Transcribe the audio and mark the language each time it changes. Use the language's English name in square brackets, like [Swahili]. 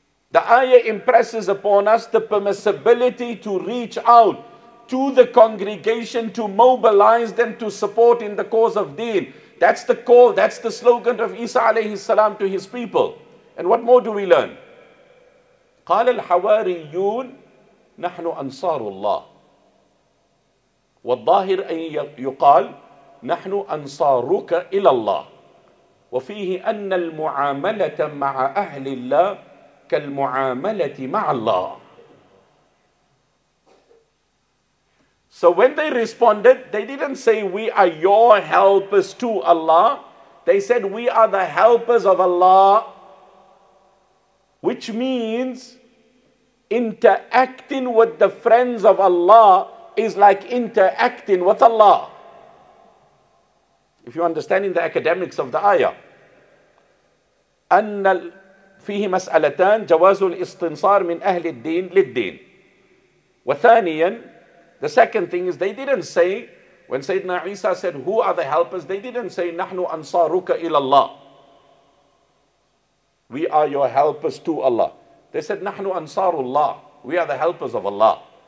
[English] The ayah impresses upon us the permissibility to reach out to the congregation, to mobilize them to support in the cause of deen. That's the call, that's the slogan of Isa alayhi salam to his people. And what more do we learn? [Arabic] قَالَ الْحَوَارِيُّونَ نَحْنُ أَنصَارُ اللَّهِ وَالظَّاهِرْ أَن يُقَالَ نَحْنُ أَنصَارُكَ إِلَى اللَّهِ وَفِيهِ أَنَّ الْمُعَامَلَةَ مَعَ أَهْلِ اللَّهِ كَالْمُعَامَلَةِ مَعَ اللَّهِ. [English] So when they responded, they didn't say, we are your helpers to Allah. They said, we are the helpers of Allah. Which means, interacting with the friends of Allah is like interacting with Allah. If you're understanding the academics of the ayah. [Arabic] أَنَّ فيه مسألتان جواز الاستنصار من أهل الدين للدين. وثانيا, [English] the second thing is they didn't say, when Sayyidina Isa said, who are the helpers? They didn't say, [Arabic] نحن أنصارك إلى الله. [English] We are your helpers to Allah. They said, [Arabic] Nahnu Ansarullah. [English] We are the helpers of Allah.